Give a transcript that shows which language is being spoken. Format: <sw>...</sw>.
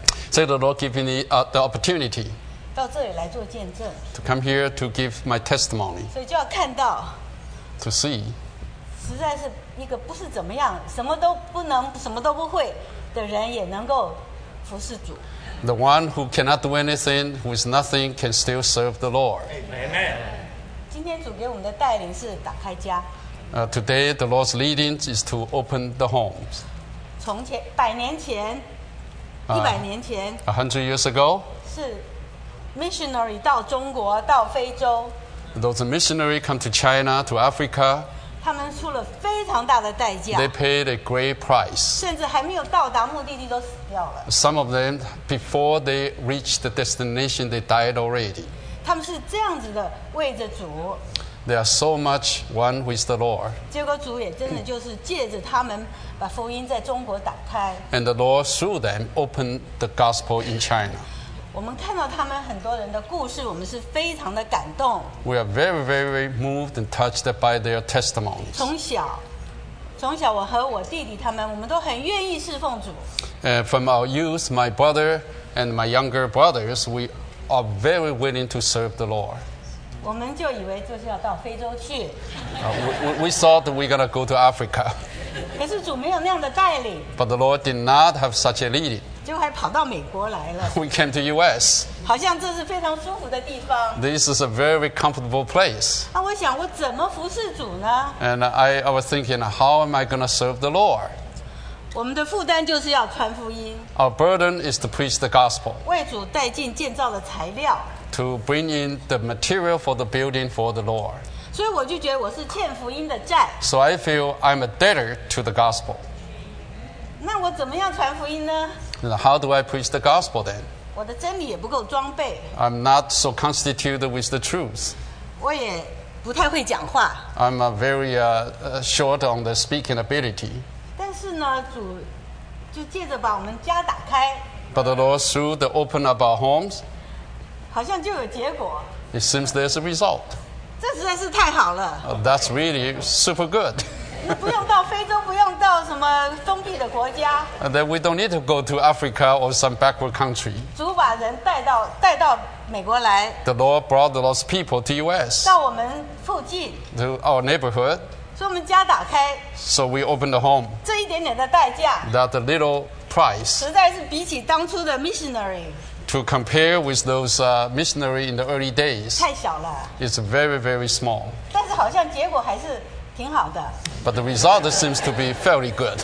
<en>So the Lord giving me the opportunity</en> <zh>到这里来做见证。</zh> <en>To come here to give my testimony.</en> <zh>所以就要看到。</zh> <en>To see.</en> <zh>实在是一个不是怎么样，什么都不能，什么都不会的人也能够服侍主。</zh> <en>The one who cannot do anything, who is nothing, can still serve the Lord. Amen.</en> <zh>今天主给我们的带领是打开家。</zh> <en>Today, the Lord's leading is to open the homes.</en> <zh>从前，百年前，一百年前</zh> <en>，100 years ago,</en> <zh>是 missionary 到中国，到非洲。</zh> <en>Those missionary come to China, to Africa.</en> <zh>他们出了非常大的代价。</zh> <en>They paid a great price.</en> <zh>甚至还没有到达目的地，都死掉了。</zh> <en>Some of them, before they reached the destination, they died already.</en> <zh>他们是这样子的，为着主。</zh> <en>They are so much one with the Lord.</en> <zh>结果主也真的就是借着他们把福音在中国打开。</zh> <en>And the Lord through them opened the gospel in China.</en> <zh>我们看到他们很多人的故事，我们是非常的感动。</zh> <en>We are very, very moved and touched by their testimonies.</en> <zh>从小我和我弟弟他们，我们都很愿意侍奉主。</zh> <en>From our youth, my brother and my younger brothers, we are very willing to serve the Lord.</en> <zh>我们就以为就是要到非洲去。</zh> <en>We thought we're gonna go to Africa.</en> <zh>可是主没有那样的带领。</zh> <en>But the Lord did not have such a leading.</en> <zh>就还跑到美国来了。</zh> <en>We came to U.S.</en> <zh>好像这是非常舒服的地方。</zh> <en>This is a very comfortable place.</en> <zh>那我想我怎么服侍主呢</zh> <en>？And I was thinking, how am I gonna serve the Lord?</en> <zh>我们的负担就是要传福音。</zh> <en>Our burden is to preach the gospel.</en> <zh>为主带进建造的材料。</zh> <en>To bring in the material for the building for the Lord.</en> <zh>所以我就觉得我是欠福音的债。</zh> <en>So I feel I'm a debtor to the gospel.</en> <zh>那我怎么样传福音呢</zh> <en>Now, How do I preach the gospel then?</en> <zh>我的真理也不够装备。</zh> <en>I'm not so constituted with the truth.</en> <zh>我也不太会讲话。</zh> <en>I'm very short on the speaking ability.</en> <zh>但是呢，主就借着把我们家打开。</zh> <en>But the Lord through the open of our homes.</en> <zh>好像就有结果。</zh> <en>It seems there's a result.</en> <zh>这实在是太好了。</zh> <en>That's really super good.</en> <zh>不用到非洲，不用到什么封闭的国家。</zh> <en>Then we don't need to go to Africa or some backward country.</en> <zh>主把人带到美国来。</zh> <en>The Lord brought the lost people to U.S.</en> <zh>到我们附近。</zh> <en>To our neighborhood.</en> <zh>所以我们家打开。</zh> <en>So we opened the home.</en> <zh>这一点点的代价。</zh> <en>That little price.</en> <zh>实在是比起当初的 missionary.</zh> <en>To compare with those missionary in the early days,</en> <zh>太小了</zh> <en>it's very, very small.</en> <zh>但是好像结果还是挺好的</zh> <en>But the result seems to be fairly good.</en>